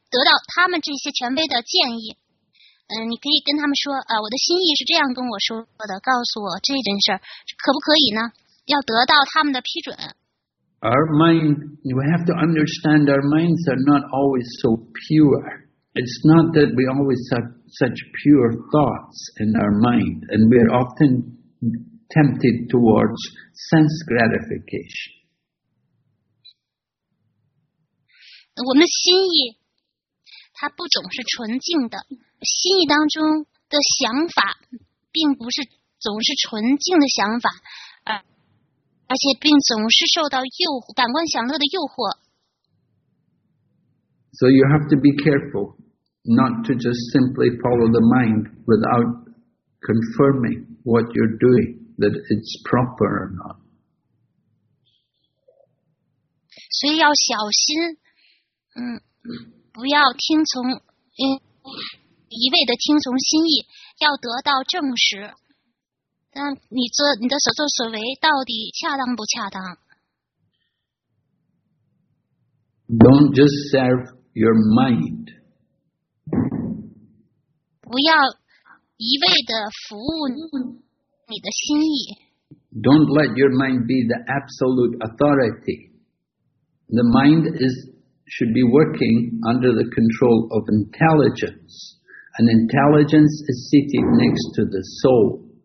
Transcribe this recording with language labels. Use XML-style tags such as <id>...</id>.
<zh>得到他们这些权威的建议。你可以跟他们说啊，我的心意是这样跟我说的，告诉我这件事可不可以呢？要得到他们的批准。</zh> <en>Our mind, we have to understand our minds are not always so pure. It's not that we always have such pure thoughts in our mind, and we are often tempted towards sense gratification.</en> <zh>我们的心意它不总是纯净的，心意当中的想法并不是总是纯净的想法，而且并总是受到诱惑，感官享乐的诱惑。</zh> <en>So you have to be careful not to just simply follow the mind without confirming what you're doing, that it's proper or not.</en> <zh>所以要小心，不要听从，一味的听从心意，要得到证实。那你做你的所作所为到底恰当不恰当</zh> <en>？Don't just serve your mind.</en> <zh>不要一味的服务你的心意。</zh> <en>Don't let your mind be the absolute authority. The mind is should be working under the control of intelligence, and intelligence is seated next to the soul.</en>